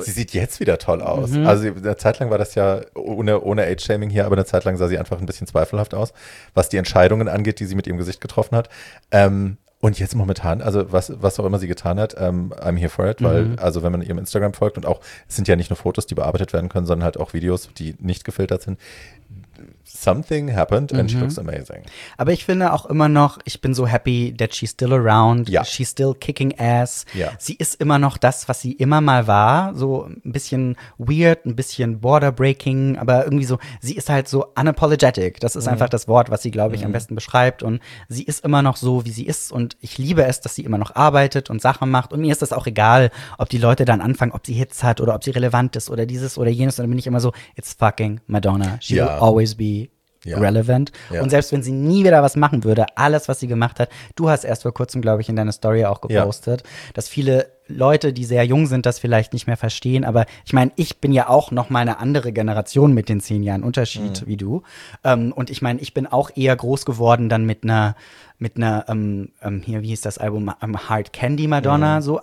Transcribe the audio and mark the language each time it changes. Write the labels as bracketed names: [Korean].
[German] sie sieht jetzt wieder toll aus. Mhm. Also eine Zeit lang war das ja ohne Age-Shaming hier, aber eine Zeit lang sah sie einfach ein bisschen zweifelhaft aus, was die Entscheidungen angeht, die sie mit ihrem Gesicht getroffen hat. Und jetzt momentan, also was auch immer sie getan hat, [English] I'm here for it, [German] weil, also wenn man ihrem Instagram folgt und auch, es sind ja nicht nur Fotos, die bearbeitet werden können, sondern halt auch Videos, die nicht gefiltert sind. [English] Something happened and she looks amazing. [German] Aber ich finde auch immer noch, ich bin so [English] happy that she's still around. Ja. She's still kicking ass. [German] Ja. Sie ist immer noch das, was sie immer mal war. So ein bisschen weird, ein bisschen border breaking, aber irgendwie so, sie ist halt so unapologetic. Das ist einfach das Wort, was sie, glaube ich, am besten beschreibt. Und sie ist immer noch so, wie sie ist. Und ich liebe es, dass sie immer noch arbeitet und Sachen macht. Und mir ist das auch egal, ob die Leute dann anfangen, ob sie Hits hat oder ob sie relevant ist oder dieses oder jenes. Und dann bin ich immer so, [English] it's fucking Madonna. She will always be relevant. [German] Ja. Und selbst wenn sie nie wieder was machen würde, alles, was sie gemacht hat, du hast erst vor kurzem, glaube ich, in deiner Story auch gepostet, dass viele Leute, die sehr jung sind, das vielleicht nicht mehr verstehen. Aber ich meine, ich bin ja auch noch mal eine andere Generation mit den 10 Jahren Unterschied wie du. Und ich meine, ich bin auch eher groß geworden dann wie hieß das Album, Hard Candy Madonna, so.